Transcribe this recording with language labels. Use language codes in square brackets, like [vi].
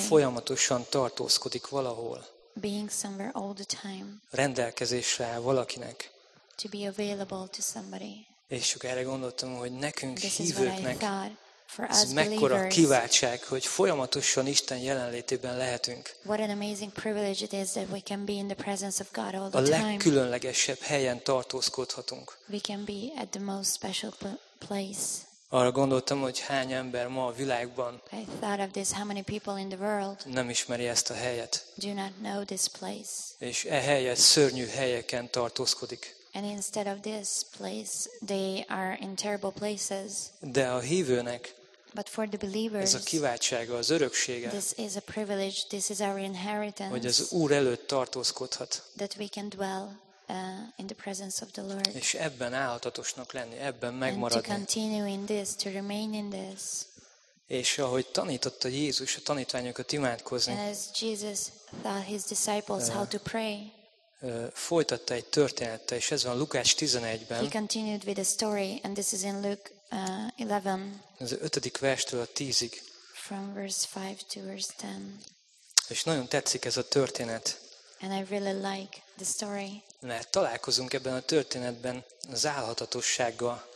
[hu] Folyamatosan tartózkodik valahol. [en] Being somewhere all the time. [hu] Rendelkezésre áll valakinek. [en] To be available to somebody. [hu] És csak erre gondoltam, hogy nekünk [en] this [hu] hívőknek [en] is what I thought. For us [hu] ez mekkora kiváltság, hogy folyamatosan Isten jelenlétében lehetünk. [en] What an amazing privilege it is that we can be in the presence of God all the time. [hu] A legkülönlegesebb helyen tartózkodhatunk. [en] We can be at the most special place. [hu] Arra gondoltam, hogy hány ember ma a világban [en] I thought of this, how many people in the world [hu] nem ismeri ezt a helyet. [en] Do not know this place. [hu] És e helyet szörnyű helyeken tartózkodik. [en] And instead of this place, they are in terrible places. [hu] De a hívőnek, [en] but for the believers, [hu] ez a kiváltsága, az öröksége, [en] this is a privilege, this is our inheritance, [hu] hogy az Úr előtt tartózkodhat, [en] that we can dwell in the presence of the Lord. [hu] És ebben állhatatosnak lenni, ebben megmaradni. [en] And to continue in this, to remain in this. [hu] És ahogy tanította Jézus a tanítványokat imádkozni, [en] as Jesus taught his disciples how to pray, [hu] folytatta egy történettel, és ez van Lukács 11-ben. [en] He continued with a story, and this is in Luke 11. [hu] Ez a 5. verstől a 10-ig. [en] From verse 5 to verse 10. [hu] És nagyon tetszik ez a történet. [en] And I really like the story. [hu] Mert találkozunk ebben a történetben az álhatatossággal.